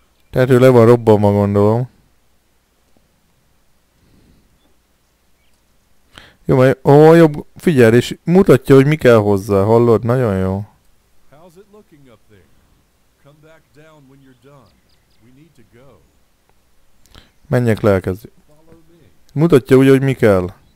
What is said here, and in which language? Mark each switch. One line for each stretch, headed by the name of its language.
Hungarian: Tehát ő le van robbanva, gondolom. Jó, majd, ó, jobb, figyelj, és mutatja, hogy mi kell hozzá, hallod? Nagyon jó.
English: How's it looking up there? Come back down when you're done. We need to go.
Hungarian: Menjek le, elkezdjük. Mutatja úgy, hogy mi kell.